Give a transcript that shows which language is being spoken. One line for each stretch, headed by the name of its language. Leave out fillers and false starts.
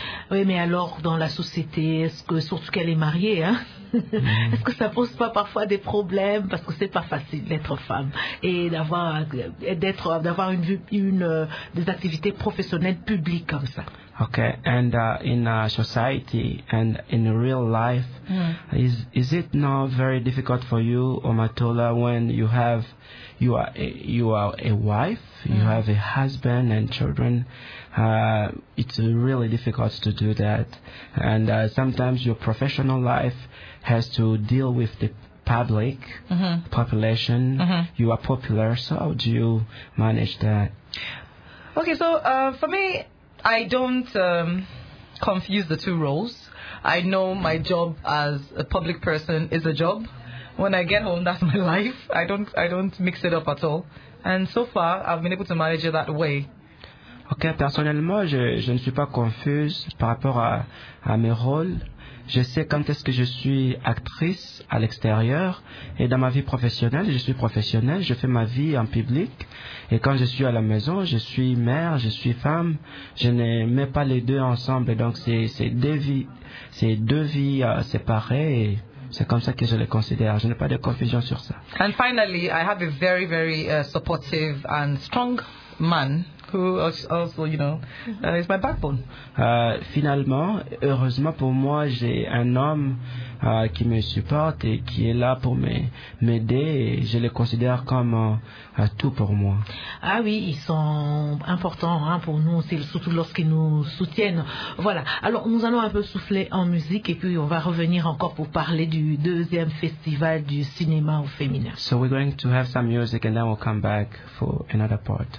French: Oui, mais alors dans la société, est-ce que surtout qu'elle est mariée, hein? Est-ce que ça pose pas parfois des problèmes parce que c'est pas facile d'être femme et d'avoir des activités professionnelles publiques comme ça.
English: Okay, and in society and in real life, is it not very difficult for you, Omotola, when you are a wife, you have a husband and children? It's really difficult to do that, and sometimes your professional life has to deal with the public, population. You are popular, so how do you manage that? Okay, so for me, I don't confuse the two roles. I know my job as a public person is a job. When I get home, that's my life. I don't mix it up at all. And so far, I've been able to manage it that way.
French: Ok, personnellement, je ne suis pas confuse par rapport à mes rôles. Je sais quand est-ce que je suis actrice à l'extérieur et dans ma vie professionnelle, je suis professionnelle, je fais ma vie en public et quand je suis à la maison, je suis mère, je suis femme, je ne mets pas les deux ensemble, donc c'est deux vies séparées et c'est comme ça que je les considère. Je n'ai pas de confusion sur ça.
English: And finally, I have a very, very supportive and strong man who also, you know, is my backbone.
French: Finalement, heureusement pour moi, j'ai un homme qui me supporte et qui est là pour m'aider. Je les considère comme tout pour moi. Ah oui, ils sont importants hein, pour nous, surtout lorsqu'ils nous soutiennent. Voilà. Alors, nous allons un peu souffler en musique et puis on va revenir encore pour parler du deuxième festival du cinéma au féminin.
English: So we're going to have some music and then we'll come back for another part.